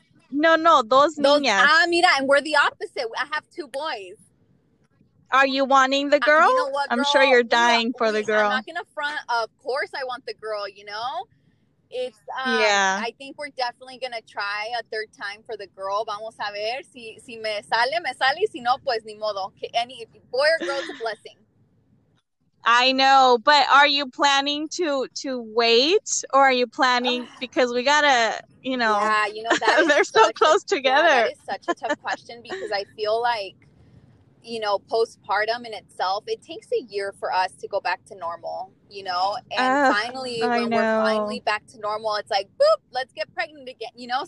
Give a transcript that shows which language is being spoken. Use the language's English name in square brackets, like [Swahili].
[English] No. Those niñas. Mira. And we're the opposite. I have 2 boys. Are you wanting the girl? You know what, girl? I'm sure you're dying for the girl. I'm not going to front. Of course I want the girl, you know? I think we're definitely going to try a third time for the girl. [Spanish] Vamos a ver. Si me sale, y si no, pues ni modo. [English] Boy or girl's a blessing. I know, but are you planning to wait, or are you planning, because we gotta, you know. Yeah, you know, that is they're so close together. That is such a tough question, because I feel like, you know, postpartum in itself, it takes a year for us to go back to normal, you know, and finally back to normal, it's like, boop, let's get pregnant again, you know?